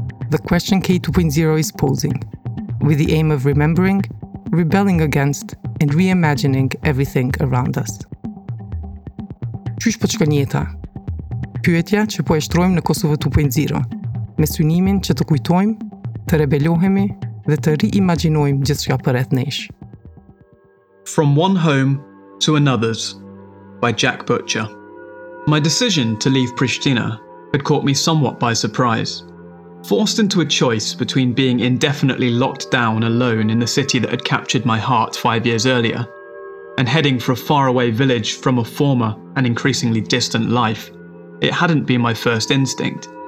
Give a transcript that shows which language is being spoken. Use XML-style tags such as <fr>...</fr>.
<en>The question K2.0 is posing, with the aim of remembering, rebelling against, and reimagining everything around us.</en> <sq>Qysh po qka njeta? Pyetja që po e shtrojmë në Kosovë 2.0, me synimin që të kujtojmë, të rebelohemi dhe të reimaginojmë gjithçka përreth nesh.</sq> <en>From One Home to Another's by Jack Butcher. My decision to leave Pristina had caught me somewhat by surprise. Forced into a choice between being indefinitely locked down alone in the city that had captured my heart 5 years earlier, and heading for a faraway village from a former and increasingly distant life, it hadn't been my first instinct.</en>